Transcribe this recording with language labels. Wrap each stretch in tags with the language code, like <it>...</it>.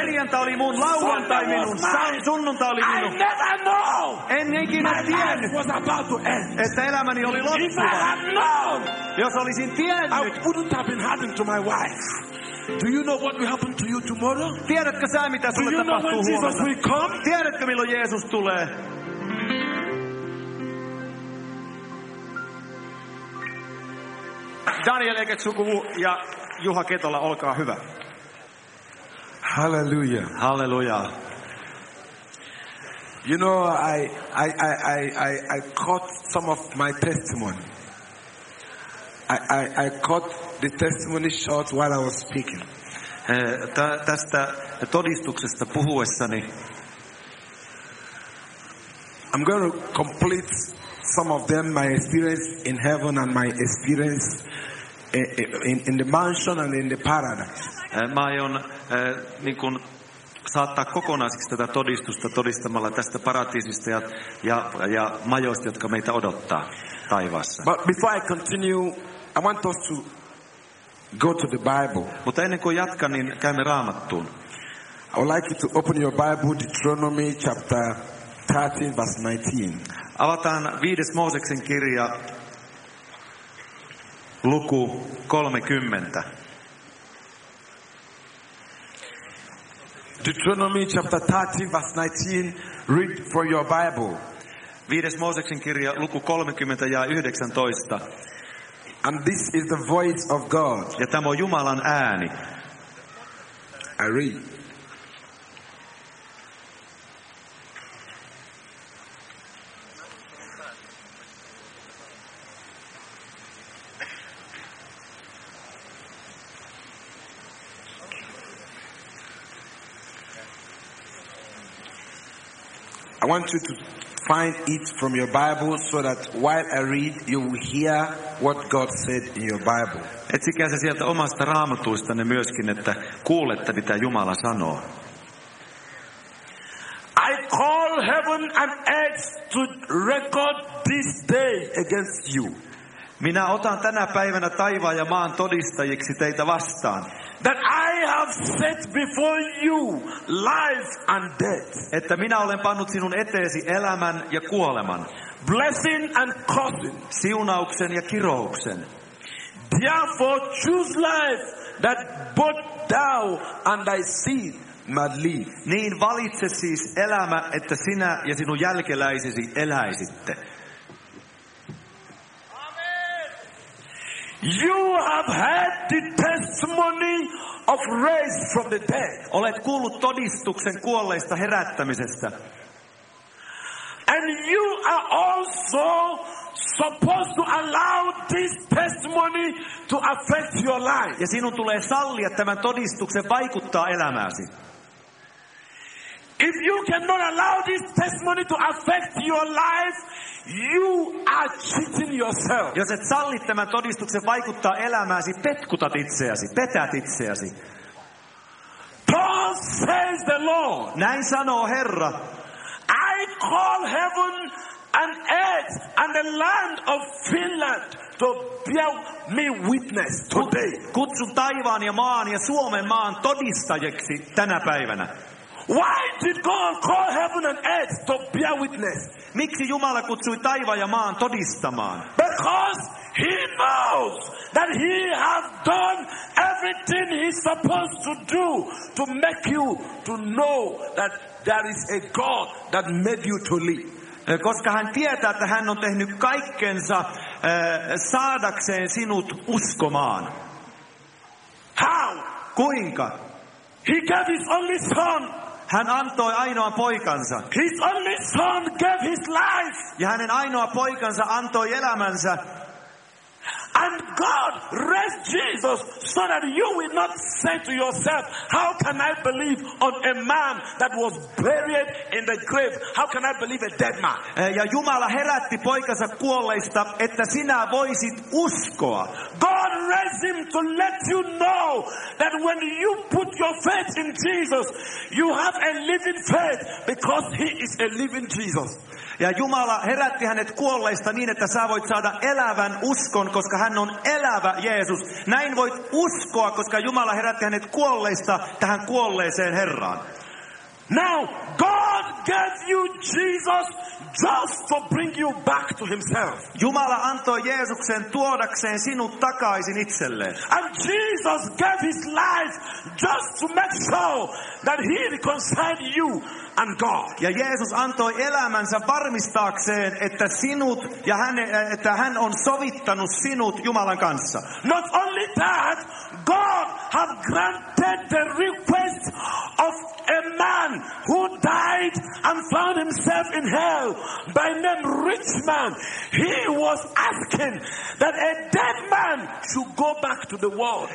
<fi>Perjantai oli mun, lauantai minun, sunnuntai oli minun.</fi> <en>I never know.</en> <fi>En ikinä tiennyt, että elämäni oli loppua.</fi> <en>If I had known,</en> <fi>jos olisin tiennyt,</fi> <en>I wouldn't have been having to my wife. Do you know what will happen to you tomorrow?</en> <fi>Tiedätkö sä, mitä sulle tapahtuu huomenna?</fi> <en>Jesus will come?</en> <fi>Tiedätkö, milloin Jeesus tulee? Daniel Eketsukuvu ja Juha Ketola, olkaa hyvä.</fi> <en>Hallelujah. Hallelujah. You know, I caught some of my testimony. I caught the testimony short while I was speaking.</en> <fi>Tästä todistuksesta puhuessani.</fi> <en>I'm going to complete some of them, my experience in heaven and my experience in the mansion and in the paradise.</en> <fi>Mä aion niin kun saattaa kokonaisiksi tätä todistusta todistamalla tästä paratiisista ja majoista, jotka meitä odottaa taivaassa.</fi> <en>But before I continue, I want us to go to the Bible.</en> <fi>Mutta ennen kuin jatkan, niin käymme Raamattuun.</fi> <en>I would like you to open your Bible, Deuteronomy chapter 13, verse 19.</en> <fi>Avataan viides Mooseksen kirja, luku 30.</fi> <en>Deuteronomy chapter 13, verse 19, read for your Bible.</en> <fi>Viides Mooseksen kirja, luku 30 ja 19.</fi> <en>And this is the voice of God.</en> <fi>Ja tämä on Jumalan ääni.</fi> <en>I read. I want you to find it from your Bible so that while I read, you will hear what God said in your Bible.</en> <fi>Etsikää se sieltä omasta Raamatuistanne myöskin, että kuulette, mitä Jumala sanoo.</fi> <en>I call heaven and earth to record this day against you.</en> <fi>Minä otan tänä päivänä taivaan ja maan todistajiksi teitä vastaan.</fi> <en>That I have set before you life and death.</en> <fi>Että minä olen pannut sinun eteesi elämän ja kuoleman.</fi> <en>Blessing and cursing.</en> <fi>Siunauksen ja kirouksen.</fi> <en>Therefore choose life that both thou and thy seed may live.</en> <fi>Niin valitse siis elämä, että sinä ja sinun jälkeläisesi eläisitte.</fi> <en>You have heard the testimony of raise from the dead.</en> <fi>Olet kuullut todistuksen kuolleista herättämisestä.</fi> <en>And you are also supposed to allow this testimony to affect your life.</en> <fi>Ja sinun tulee sallia tämän todistuksen vaikuttaa elämääsi.</fi> <en>If you cannot allow this testimony to affect your life, you are cheating yourself.</en> <fi>Jos et salli tämän todistuksen vaikuttaa elämääsi, petkutat itseäsi, petät itseäsi.</fi> <en>Thus says the Lord.</en> <fi>Näin sanoo Herra.</fi> <en>I call heaven and earth and the land of Finland to bear me witness today.</en> <fi>Kutsun taivaan ja maan ja Suomen maan todistajiksi tänä päivänä.</fi> <en>Why did God call heaven and earth to bear witness?</en> <fi>Miksi Jumala kutsui taivaan ja maan todistamaan?</fi> <en>Because he knows that he has done everything he's supposed to do to make you to know that there is a God that made you to live.</en> <fi>Koska hän tietää, että hän on tehnyt kaikkensa saadakseen sinut uskomaan.</fi> <en>How?</en> <fi>Kuinka?</fi> <en>He gave his only son.</en> <fi>Hän antoi ainoan poikansa.</fi> <en>His only son gave his life.</en> <fi>Ja hänen ainoa poikansa antoi elämänsä.</fi> <en>And God raised Jesus so that you will not say to yourself, how can I believe on a man that was buried in the grave? How can I believe a dead man?</en> <fi>Ja Jumala herätti poikansa kuolleista, että sinä voisit uskoa.</fi> <en>God raised him to let you know that when you put your faith in Jesus, you have a living faith because he is a living Jesus.</en> <fi>Ja Jumala herätti hänet kuolleista niin, että sä voit saada elävän uskon, koska hän on elävä Jeesus. Näin voit uskoa, koska Jumala herätti hänet kuolleista tähän kuolleeseen Herraan.</fi> <en>Now, God gave you Jesus just to bring you back to himself.</en> <fi>Jumala antoi Jeesuksen tuodakseen sinut takaisin itselleen.</fi> <en>And Jesus gave his life just to make sure that he reconciled you and God.</en> <fi>Ja Jeesus antoi elämänsä varmistaakseen, että sinut ja hän, että hän on sovittanut sinut Jumalan kanssa.</fi> <en>Not only that, God has granted the request of a man who died and found himself in hell by name Rich Man. He was asking that a dead man should go back to the world.</en>